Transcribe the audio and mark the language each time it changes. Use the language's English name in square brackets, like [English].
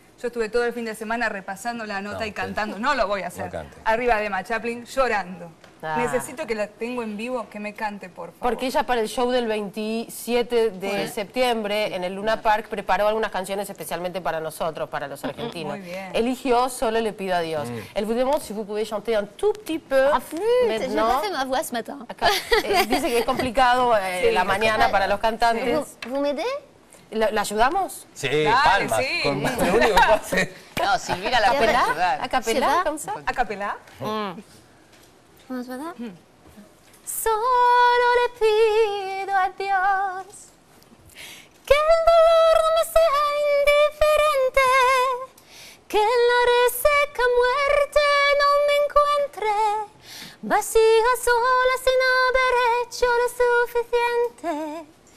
[Spanish] Yo estuve todo el fin de semana repasando la nota y cantando. No lo voy a hacer. Arriba de Emma Chaplin, llorando. Ah. Necesito que la tengo en vivo, que me cante, por favor. Porque ella para el show del 27 de septiembre en el Luna Park preparó algunas canciones especialmente para nosotros, para los argentinos. Muy bien. Eligió Solo le pido a Dios. Mm. [French] Elle vous demande si vous pouvez chanter un tout petit peu. Ah, flûte, j'ai pas fait ma voix ce matin. [Spanish] Dice que es complicado la mañana para los cantantes. [French] ¿Vous m'aidez? [Spanish] ¿La ayudamos? Sí, dale, palma. Sí. Con lo único que puedo hacer. No, Silvina, la puede ayudar. ¿A capela? ¿Cómo se? ¿A capela? ¿Cómo se va a dar? Solo le pido a Dios que el dolor me sea indiferente, que la reseca muerte no me encuentre vacía, sola, sin haber hecho lo suficiente.